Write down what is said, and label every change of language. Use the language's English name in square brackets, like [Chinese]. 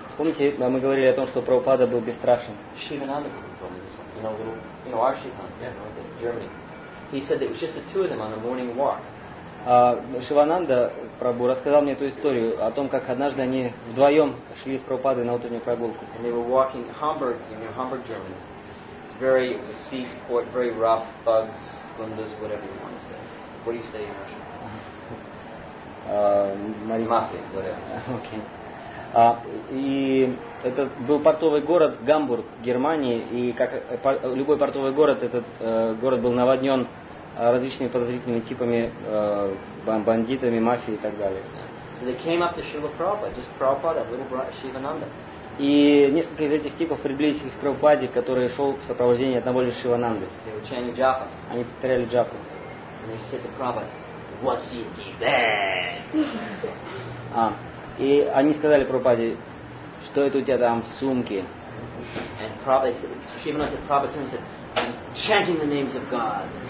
[Russian] Помните, мы говорили о том, что Прабхупада был бесстрашен. [English] Shivananda told me this one. You know our Shivananda, yeah, in Germany. He said that it was just the two of them on a morning walk. [Russian] Шивананда Прабху рассказал мне эту историю о том, как однажды они вдвоем шли с Прабхупадой на утреннюю прогулку. [English] And they were walking in Hamburg, in near Hamburg, Germany. Very deceit, court, very rough, thugs, gundas, whatever you want to say. What do you say in Russian? [Russian] Мафия, [English] whatever. Okay. [Russian] И это был портовый город Гамбург, Германии, и как любой портовый город, этот город был наводнен различными подозрительными типами, бандитами, мафии и так далее. [English] So they came up to Srila Prabhupada, just Prabhupada, little brother Shivananda. [Russian] И несколько из этих типов приблизились к Прабхупаде, который шел в сопровождении одного лишь Шивананды. [English] They were chanting japa. [Russian] Они повторяли джапу. [English] And they said to Prabhupada, what's your deed? [Russian] И они сказали Прабхупаде, что это у тебя там в сумке? [English] And Prabhupada said, Prabhupada turned and said, I'm chanting the names of God.